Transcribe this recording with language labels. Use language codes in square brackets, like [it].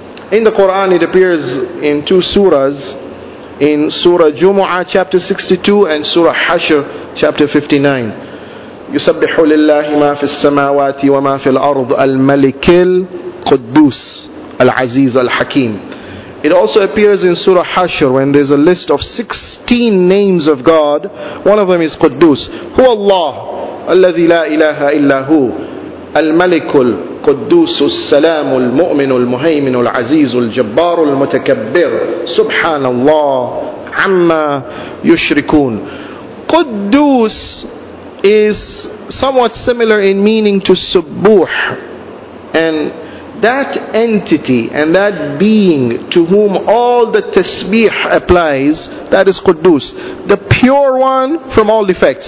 [en] In the Quran, it appears in two surahs, in Surah Jumu'ah, chapter 62, and Surah Hashr, chapter 59. [ar] يُسَبِّحُ لِلَّهِ مَا فِي السَّمَاوَاتِ وَمَا فِي الْأَرْضِ الْمَلِكِ الْقُدُّوسِ الْعَزِيزِ الْحَكِيمِ. [en] It also appears in Surah Hashr when there's a list of 16 names of God. One of them is Quddus. [ar] هو الله الذي لا إله إلا هو الملك القدوس السلام المؤمن المهيمن العزيز الجبار المتكبر سبحان الله عما يشركون. [en] Quddus is somewhat similar in meaning to Subbuh, and that entity and that being to whom all the tasbih applies, that is Quddus, the pure one from all defects.